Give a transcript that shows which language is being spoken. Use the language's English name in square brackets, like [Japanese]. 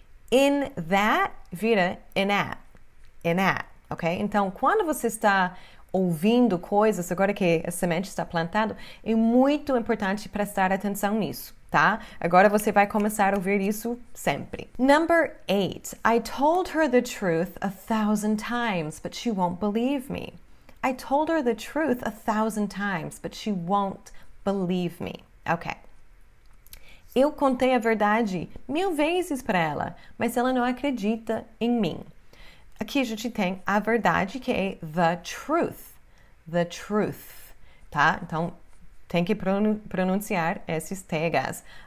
[Portuguese] In that vira in at. In at. Ok? Então, quando você está ouvindo coisas, agora que a semente está plantada, é muito importante prestar atenção nisso, tá? Agora você vai começar a ouvir isso sempre. [English] Number 8. I told her the truth 1,000 times, but she won't believe me. I told her the truth 1,000 times, but she won't believe me. Ok. [Portuguese] Eu contei a verdade 1,000 vezes para ela, mas ela não acredita em mim. Aqui a gente tem a verdade, que é [English] the truth. The truth. [Portuguese] Tá? Então, tem que pronunciar esses TH's.